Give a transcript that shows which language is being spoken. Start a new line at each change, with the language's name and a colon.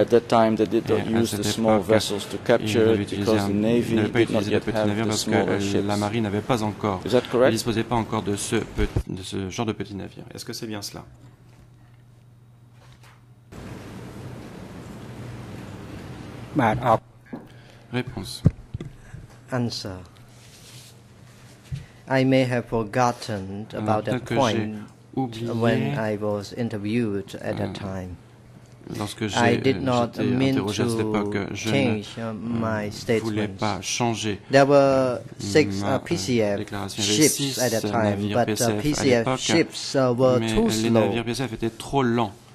English: at that time they did not use the small vessels to capture it because the navy did not yet have the smaller ships.
French: La marine n'avait pas encore,
English: is that correct?
French: Ne disposait pas encore de ce genre de petit navire. Est-ce que c'est bien cela? Réponse.
English: Answer. I may have forgotten about that point when I was interviewed at that time.
French: lorsque j'ai j'étais interrogé à cette époque, je ne voulais pas changer ma déclaration. Il y avait six navires PCF à l'époque, mais les navires PCF étaient trop lents